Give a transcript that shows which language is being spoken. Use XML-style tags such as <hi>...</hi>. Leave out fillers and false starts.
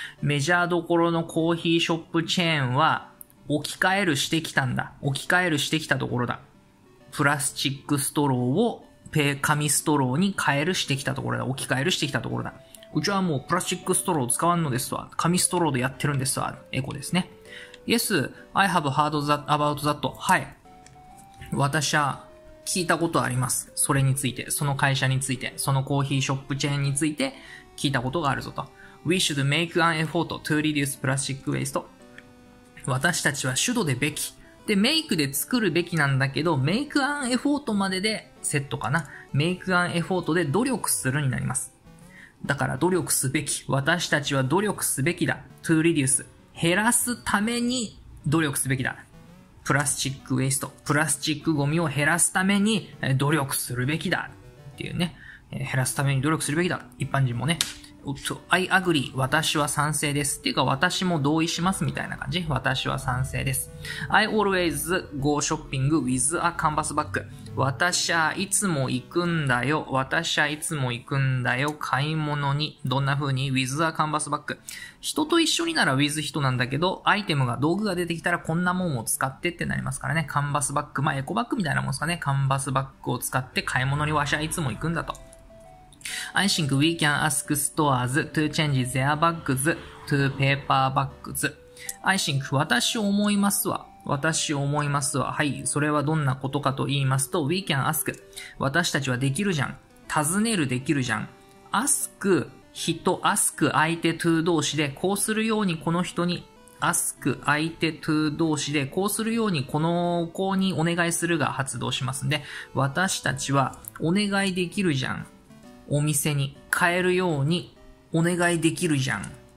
<ja>メジャーどころのコーヒーショップチェーンは置き換えるしてきたんだ。置き換えるしてきたところだ。プラスチックストローを紙ストローに変えるしてきたところだ。置き換えるしてきたところだ。うちはもうプラスチックストロー使わんのですわ。紙ストローでやってるんですわ。エコですね。</ja> <en>Yes, I have heard that about that.</en> <ja>はい。私は聞いたことあります。それについて、その会社について、そのコーヒーショップチェーンについて聞いたことがあるぞと。</ja> <en>We should make an effort to reduce plastic waste.</en> <ja>私たちは主導でべき。で、メイクで作るべきなんだけど、メイクアンエフォートまででセットかな。メイクアンエフォートで努力するになります。だから努力すべき。私たちは努力すべきだ。トゥーリデュース。減らすために努力すべきだ。プラスチックウェイスト。プラスチックゴミを減らすために努力するべきだ。っていうね。減らすために努力するべきだ。一般人もね。</ja> <en>I agree.</en> <ja>私は賛成です。っていうか、私も同意します。みたいな感じ。私は賛成です。</ja> <en>I always go shopping with a canvas bag.</en> <ja>私はいつも行くんだよ。私はいつも行くんだよ。買い物に。どんな風に ?</ja> <en>with a canvas bag.</en> <ja>人と一緒になら with 人なんだけど、アイテムが、道具が出てきたらこんなもんを使ってってなりますからね。 canvas bag。まあ、エコバッグみたいなもんですかね。canvas bag を使って買い物にわしはいつも行くんだと。</ja> <en>I think we can ask stores to change their bags to paper bags. I think</en> <ja>私思いますわ。私思いますわ。はい、それはどんなことかと言いますと、 We can ask、 私たちはできるじゃん、尋ねるできるじゃん、 ask 人、 ask 相手 to 動詞で、こうするようにこの人に、 ask 相手 to 動詞で、こうするようにこの子にお願いするが発動しますんで、私たちはお願いできるじゃん、お店に変えるようにお願いできるじゃん。</ja>